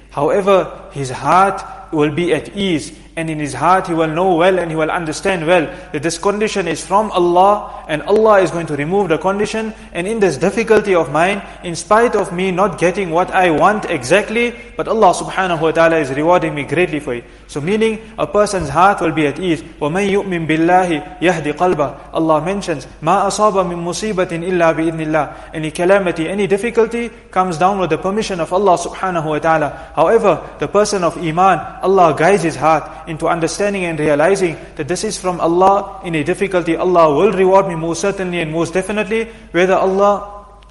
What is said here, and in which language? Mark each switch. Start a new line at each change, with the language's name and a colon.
English: However, his heart will be at ease, and in his heart he will know well and he will understand well that this condition is from Allah, and Allah is going to remove the condition. And in this difficulty of mine, in spite of me not getting what I want exactly, but Allah subhanahu wa ta'ala is rewarding me greatly for it. So meaning, a person's heart will be at ease.
Arabic: وَمَن يُؤْمِن بِاللَّهِ يَهْدِ قَلْبَهِ.
English: Allah mentions,
Arabic: مَا أَصَابَ مِن مُصِيبَةٍ إِلَّا بِإِذْنِ اللَّهِ.
English: Any calamity, any difficulty comes down with the permission of Allah subhanahu wa ta'ala. However, the person of iman, Allah guides his heart into understanding and realizing that this is from Allah. In a difficulty, Allah will reward me most certainly and most definitely. Whether Allah